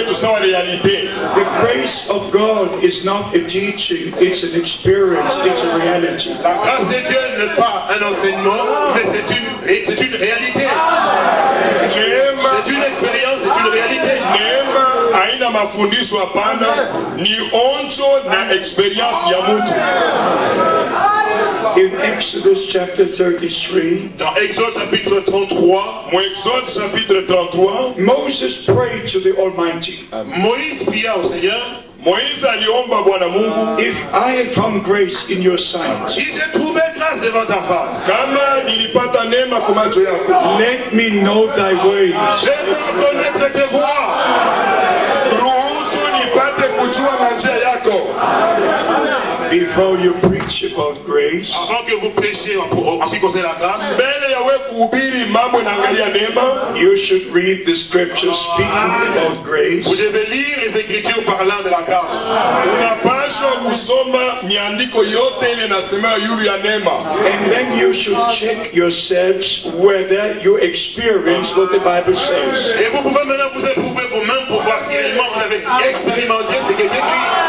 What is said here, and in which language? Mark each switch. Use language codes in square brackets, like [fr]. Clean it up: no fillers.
[en] The grace of God is not a teaching, it's an experience, it's a reality. [fr] La grâce de Dieu n'est pas un enseignement, mais c'est une réalité. C'est une expérience, c'est une réalité. [sw] Aina mafundisho hapana ni onjo na experience ya mtu. [en] In Exodus chapter 33, [fr] dans Exode chapitre 33, Exode chapitre 33, [en] Moses prayed to the Almighty. [fr] Moïse pria au Seigneur. [sw] Moïse aliomba Bwana Mungu, [en] if I have found grace in your sight, [fr] si j'ai trouvé grâce devant ta face, [sw] kama nilipata neema kwa macho yako, [en] let me know thy ways. [fr] Fais-moi connaître tes voies. [sw] Ruhusu nipate kujua njia yako. [en] Before you preach about grace, [fr] avant que vous prêchiez en ce qui concerne la grâce, [sw] mbele ya wewe kuhubiri mambo inaangalia neema, [en] you should read the scriptures speaking about grace. [fr] Vous devez lire les écritures parlant de la grâce. [sw] Unapaswa kusoma miandiko yote ile inasema juu ya neema. [en] And then you should check yourselves whether you experience what the Bible says. [fr] Et vous pouvez maintenant vous éprouver vous-même pour voir si réellement vous avez expérimenté ce qui est écrit.